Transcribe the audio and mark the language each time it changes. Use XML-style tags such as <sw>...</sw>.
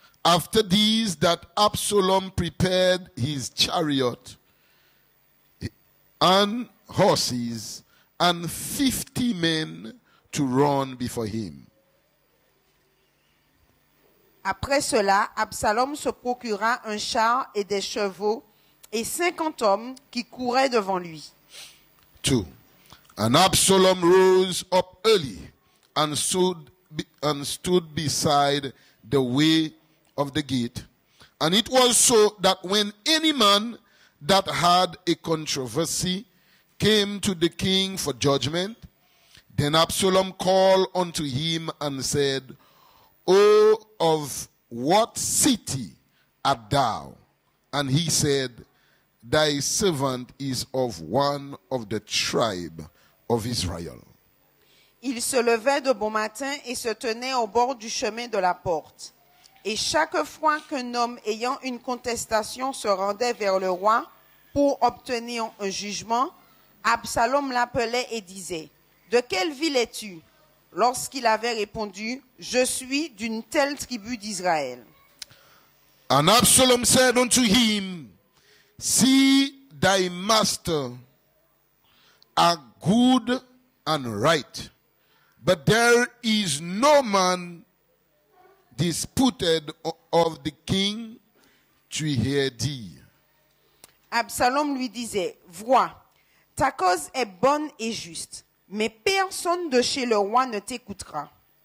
<en>After these, that Absalom prepared his chariot and horses and 50 men to run before him.</en> <fr>Après cela, Absalom se procura un char et des chevaux et 50 hommes qui couraient devant lui.</fr> <en>2. And Absalom rose up early and stood beside the way of the gate, and it was so that when any man that had a controversy came to the king for judgment. Then Absalom called unto him and said, O, of what city art thou? And he said, Thy servant is of one of the tribe of Israel.</en> <fr>Il se levait de bon matin et se tenait au bord du chemin de la porte. Et chaque fois qu'un homme ayant une contestation se rendait vers le roi pour obtenir un jugement, Absalom l'appelait et disait, « De quelle ville es-tu ? » Lorsqu'il avait répondu, « Je suis d'une telle tribu d'Israël. »</fr> <en>And Absalom said unto him, « See thy master are good and right, but there is no man disputed of the king to hear thee. »</en> <fr>Absalom lui disait, « Vois, ta cause est bonne et juste, mais personne de chez le roi ne t'écoutera. »</fr>